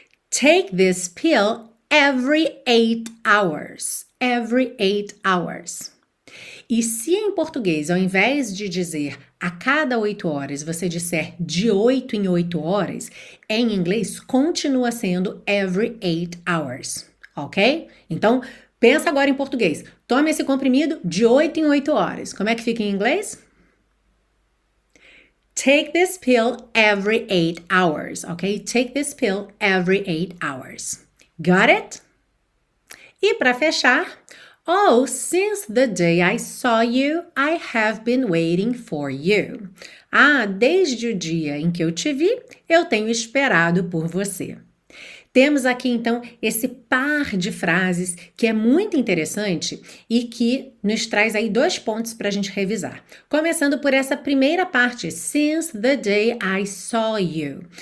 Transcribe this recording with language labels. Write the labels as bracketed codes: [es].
[en] Take this pill every 8 hours. Every 8 hours. [pt] E se em português, ao invés de dizer a cada 8 horas, você disser de 8 em 8 horas, em inglês continua sendo [en] every 8 hours. [pt] Ok? Então, pensa agora em português. Tome esse comprimido de 8 em 8 horas. Como é que fica em inglês? [en] Take this pill every 8 hours, ok? Take this pill every 8 hours. Got it? [pt] E para fechar, [en] oh, since the day I saw you, I have been waiting for you. [pt] Ah, desde o dia em que eu te vi, eu tenho esperado por você. Temos aqui então esse par de frases que é muito interessante e que nos traz aí dois pontos para a gente revisar. Começando por essa primeira parte, [en] since the day I saw you.